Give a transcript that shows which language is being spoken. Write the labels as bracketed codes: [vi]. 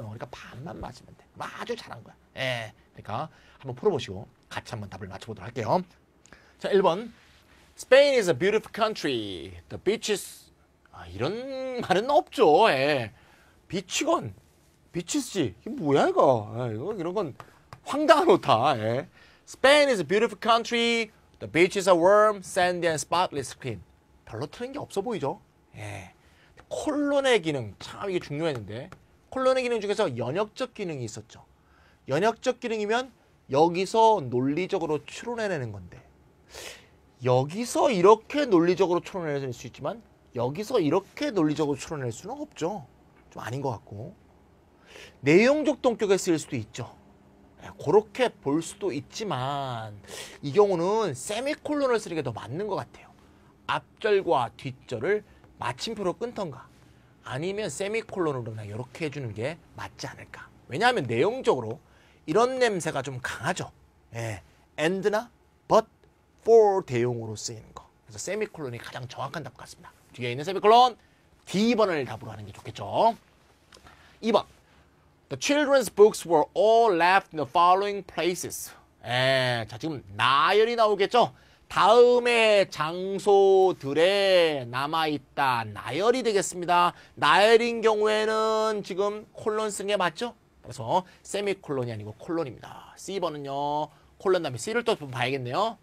[ko] 그러니까 반만 맞으면 돼. 아주 잘한 거야. 예. 그러니까 한번 풀어보시고 같이 한번 답을 맞춰보도록 할게요. 자, 1번. [en] Spain is a beautiful country. The beaches. [ko] 아, 이런 말은 없죠. 예. 비치건. 비치지. 이게 뭐야, 이거. 아, 이거 이런 건 황당한 오타. [en] 예. Spain is a beautiful country. The beaches are warm, sandy, and spotless clean. [ko] 별로 틀린 게 없어 보이죠? 예. 콜론의 기능. 참 이게 중요했는데. 콜론의 기능 중에서 연역적 기능이 있었죠. 연역적 기능이면 여기서 논리적으로 추론해내는 건데. 여기서 이렇게 논리적으로 추론해낼 수 있지만 여기서 이렇게 논리적으로 추론할 수는 없죠. 좀 아닌 것 같고. 내용적 동격에 쓰일 수도 있죠. 그렇게 볼 수도 있지만 이 경우는 세미콜론을 쓰는 게 더 맞는 것 같아요. 앞절과 뒷절을 마침표로 끊던가 아니면 세미콜론으로 그냥 이렇게 해주는 게 맞지 않을까. 왜냐하면 내용적으로 이런 냄새가 좀 강하죠. 예. and나 but, for 대용으로 쓰이는 거. 그래서 세미콜론이 가장 정확한 답 같습니다. 뒤에 있는 세미콜론 D번을 답으로 하는 게 좋겠죠. [en] 2번 The children's books were all left in the following places. [ko] 예, 자 지금 나열이 나오겠죠? 다음의 장소들에 남아있다. 나열이 되겠습니다. 나열인 경우에는 지금 콜론 쓴 게 맞죠? 그래서 세미콜론이 아니고 콜론입니다. C번은요. 콜론 다음에 C를 또 봐야겠네요.